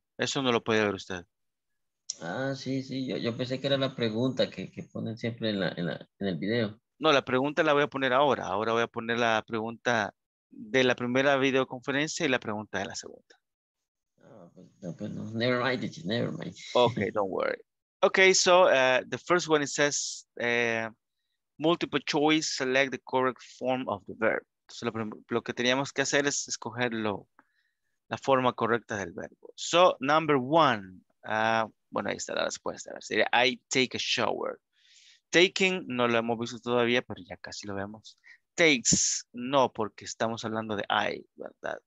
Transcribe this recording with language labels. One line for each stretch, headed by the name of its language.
Spanish: Eso no lo puede ver usted. Ah, sí, sí, yo pensé que era la pregunta que ponen siempre en el video. No, la pregunta la voy a poner ahora. Ahora voy a poner la pregunta de la primera videoconferencia y la pregunta de la segunda.
English: No, never mind, never mind. Okay, don't worry. Okay, so the first one, it says multiple choice, select the correct form of the verb.
Spanish: Entonces lo que teníamos que hacer es escoger la forma correcta del verbo.
English: So, number one,
Spanish: bueno, ahí está la respuesta. Sería,
English: I take a shower.
Spanish: Taking, no lo hemos visto todavía, pero ya casi lo vemos. Takes, no, porque estamos hablando de I, ¿verdad?